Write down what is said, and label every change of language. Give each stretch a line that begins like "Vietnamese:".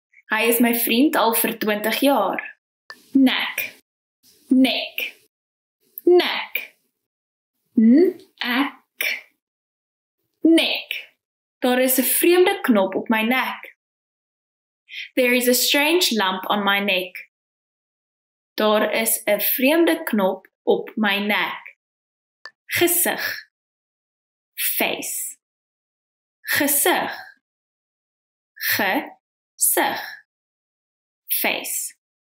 Afrikaans: Hy is my vriend al vir 20 jaar. Nek. Nek. Nek. N-ek. Nek. Daar is 'n vreemde knop op my nek.
English: There is a strange lump on my neck.
Afrikaans: Daar is 'n vreemde knop op my nek. Gesig. Face. Gesig. Gesig. Face.